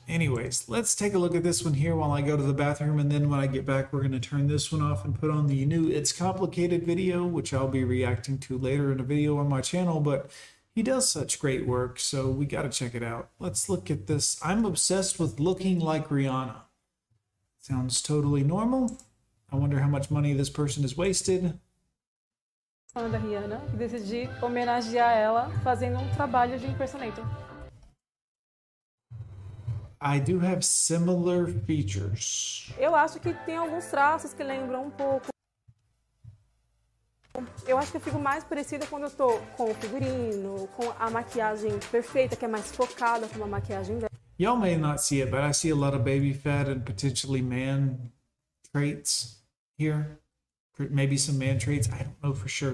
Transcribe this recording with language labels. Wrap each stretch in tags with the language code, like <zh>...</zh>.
<en>Anyways, let's take a look at this one here while I go to the bathroom, and then when I get back, we're going to turn this one off and put on the new It's Complicated video, which I'll be reacting to later in a video on my channel, but he does such great work, so we gotta check it out. Let's look at this. I'm obsessed with looking like Rihanna. Sounds totally normal. I wonder how much money this person has wasted.</en> <pt>Da Rihanna, decidi homenagear ela fazendo trabalho de impersonator.</pt> <en>I do have similar features.</en> <pt>Eu acho que tem alguns traços que lembram pouco. Eu acho que eu fico mais parecida quando eu tô com o figurino, com a maquiagem perfeita, que é mais focada com uma maquiagem dela.</pt> <en>Y'all may not see it, but I see a lot of baby fat and potentially man traits here. Maybe some man traits, I don't know for sure.</en>